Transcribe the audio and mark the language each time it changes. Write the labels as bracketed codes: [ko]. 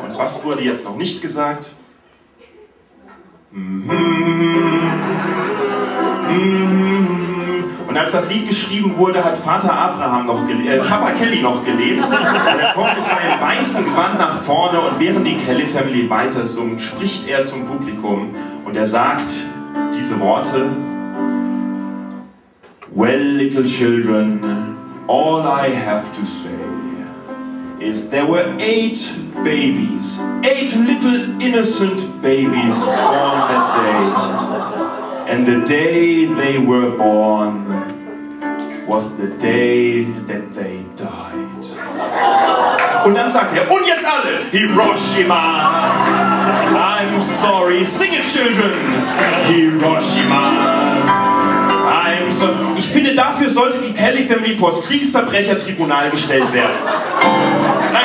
[de] Und was wurde jetzt noch nicht gesagt? Und als das Lied geschrieben wurde, hat Vater Abraham noch Papa Kelly noch gelebt. Und er kommt mit seinem weißen Gewand nach vorne und während die Kelly Family weiter summt, spricht er zum Publikum und er sagt diese Worte. [en] Well, little children, all I have to say is there were eight babies, eight little innocent babies born that day. And the day they were born was the day that they died. [de] Und dann sagt er, und jetzt alle, Hiroshima. [en] I'm sorry, sing it, children. Hiroshima. I'm sorry. [de] Ich finde, dafür sollte die Kelly Family vors Kriegsverbrechertribunal gestellt werden.